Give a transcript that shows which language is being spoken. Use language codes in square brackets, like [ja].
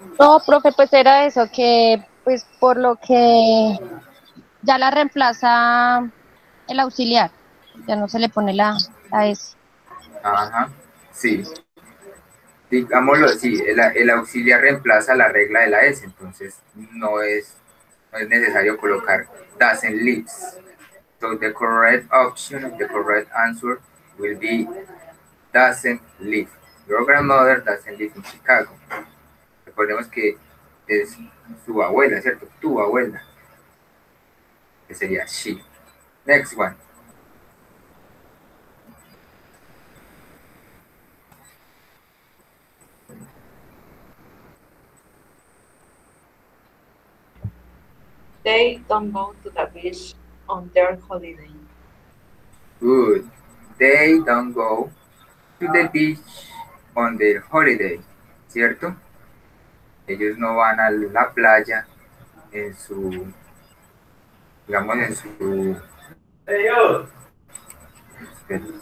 [es] No, profe, pues era eso, que pues por lo que ya la reemplaza el auxiliar, ya no se le pone la S. Ajá, sí. Digámoslo así, el auxiliar reemplaza la regla de la S, entonces no es necesario colocar [en] doesn't lives. So the correct option, the correct answer will be doesn't live. Your grandmother doesn't live in Chicago. [es] Recordemos que es su abuela, ¿cierto? Tu abuela. Que sería [en] she. Next one. They don't go to the beach on their holiday. Good. They don't go to the beach on their holiday, ¿cierto? [es] Ellos no van a la playa en su, digamos, en su